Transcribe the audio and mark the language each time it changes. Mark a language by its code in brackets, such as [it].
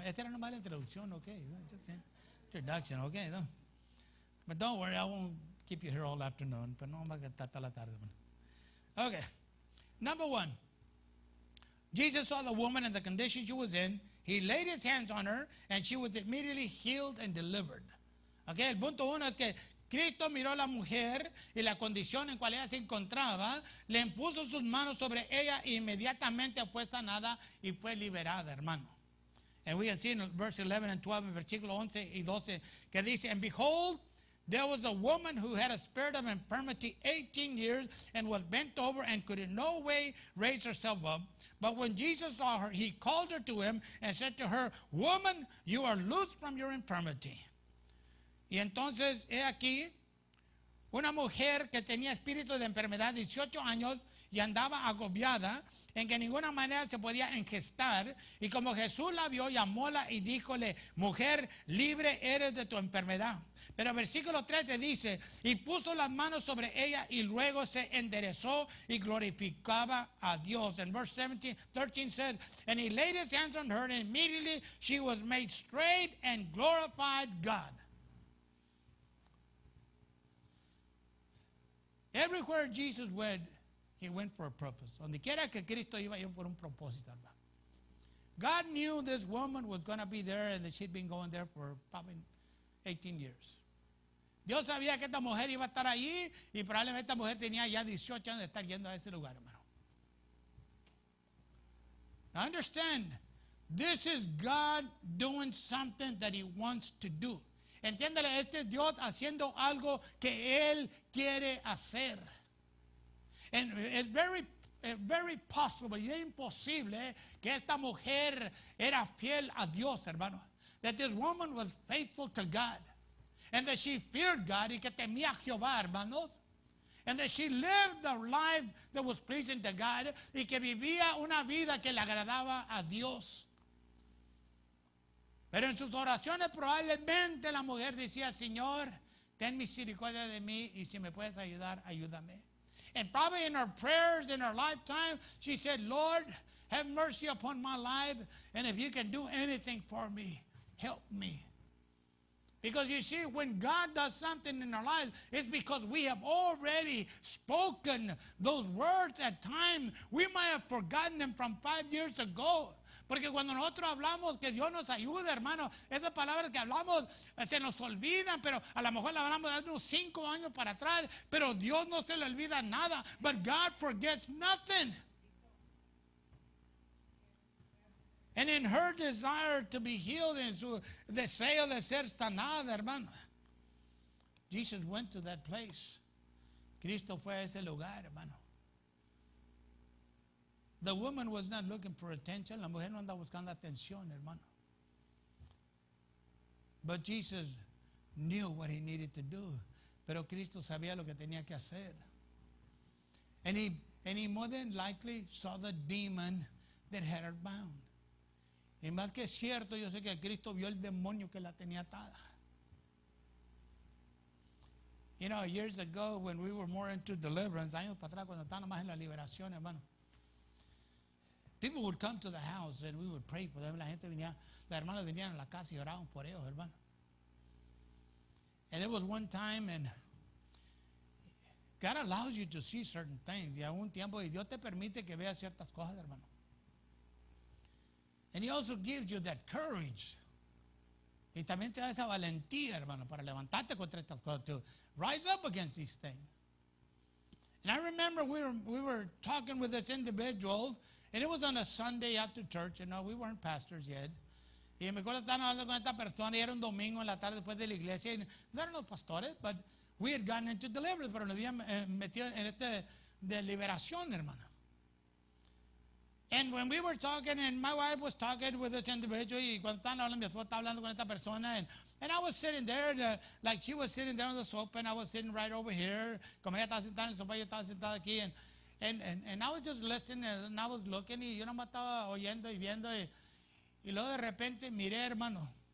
[es] Esta era una mala introducción, okay? [en] Just an introduction, okay? [es] No. [en] But don't worry, I won't keep you here all afternoon. [es] Pero no vamos a estar toda la tarde, hermano. [en] Okay. Number one, Jesus saw the woman and the condition she was in. He laid his hands on her, and she was immediately healed and delivered. [es] Okay, el punto uno es que Cristo miró a la mujer y la condición en cual ella se encontraba, le impuso sus manos sobre ella e inmediatamente fue sanada y fue liberada, hermano. [en] And we can see in verse 11 and 12, in [es] versículo 11 y 12, que dice, [en] and behold, there was a woman who had a spirit of infirmity 18 years and was bent over and could in no way raise herself up. But when Jesus saw her, he called her to him and said to her, "Woman, you are loosed from your infirmity." [es] Y entonces, he aquí, una mujer que tenía espíritu de enfermedad 18 años y andaba agobiada en que ninguna manera se podía engestar. Y como Jesús la vio, llamóla y díjole, "Mujer, libre eres de tu enfermedad." Pero versículo 3 te dice, y puso las manos sobre ella y luego se enderezó y glorificaba a Dios. [en] And verse 13 said, and he laid his hands on her and immediately she was made straight and glorified God. Everywhere Jesus went, he went for a purpose. [es] Donde quiera que Cristo iba, iba por un propósito, hermano. [en] God knew this woman was going to be there and that she'd been going there for probably 18 years. [es] Dios sabía que esta mujer iba a estar allí y probablemente esta mujer tenía ya 18 años de estar yendo a ese lugar, hermano. [en] Now understand, this is God doing something that he wants to do. [es] Entiéndale, este es Dios haciendo algo que él quiere hacer. [en] And it's very possible, [es] y es imposible que esta mujer era fiel a Dios, hermano. [en] That this woman was faithful to God. And that she feared God, [es] y que temía a Jehová, hermanos. [en] And that she lived the life that was pleasing to God, [es] y que vivía una vida que le agradaba a Dios. Pero en sus oraciones probablemente la mujer decía, Señor, ten misericordia de mí, y si me puedes ayudar, ayúdame. [en] And probably in her prayers, in her lifetime, she said, Lord, have mercy upon my life, and if you can do anything for me, help me. Because you see, when God does something in our lives, it's because we have already spoken those words at times. We might have forgotten them from 5 years ago. [es] Porque cuando nosotros hablamos que Dios nos ayude, hermano, esas palabras que hablamos se nos olvidan, pero a lo mejor la hablamos de unos 5 años para atrás, pero Dios no se le olvida nada. [en] But God forgets nothing. And in her desire to be healed, in [es] su deseo de ser sanada, hermano, [en] Jesus went to that place. [es] Cristo fue a ese lugar, hermano. [en] The woman was not looking for attention. [es] La mujer no andaba buscando atención, hermano. [en] But Jesus knew what he needed to do. [es] Pero Cristo sabía lo que tenía que hacer. [en] And he more than likely saw the demon that had her bound. [es] Y más que cierto, yo sé que Cristo vio el demonio que la tenía atada. [en] You know, years ago, when we were more into deliverance, [es] años para atrás, cuando estábamos más en la liberación, hermano, [en] people would come to the house and we would pray for them. [es] La gente venía, las hermanas venían a la casa y oraban por ellos, hermano. [en] And there was one time, and God allows you to see certain things. [es] Y a un tiempo, y Dios te permite que veas ciertas cosas, hermano. [en] And he also gives you that courage. [es] Y también te da esa valentía, hermano, para levantarte contra estas cosas, [en] to rise up against these things. And I remember we were talking with this individual, and it was on a Sunday after church. You know, we weren't pastors yet. [es] Y me acuerdo estar hablando con esta persona, y era un domingo en la tarde después de la iglesia. Y no eran los pastores, [en] but we had gotten into deliverance, [es] pero nos habían metido en este de liberación, hermano. [en] And when we were talking, and my wife was talking with this individual, [es] y cuando estaban hablando, mi esposa estaba hablando con esta persona, [en] and I was sitting there, like she was sitting there on the sofa, and I was sitting right over here, [es] como ella estaba sentada en el sofá, yo estaba sentada aquí, [en] and I was just listening, and I was looking, [es] y yo nomás estaba oyendo y viendo, y luego de repente miré, hermano.